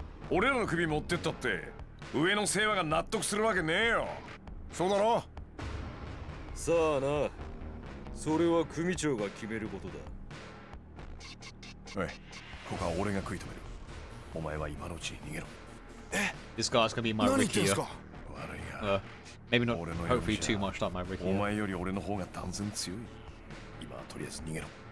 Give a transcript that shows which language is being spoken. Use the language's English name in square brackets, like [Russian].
[Japanese] 俺らの首持ってったって、 上の世話が納得するわけねえよ。そうだろ? さあな。それは組長が決めることだ。おい、 ここは俺が食い止める。お前は今のうちに逃げろ。え? [English] This guy's gonna be my Ricky. [Japanese] 何言ってんすか? 悪いや。 [English] Maybe not, hopefully too much like my Ricky. [Japanese] お前より俺の方が断然強い。今はとりあえず逃げろ。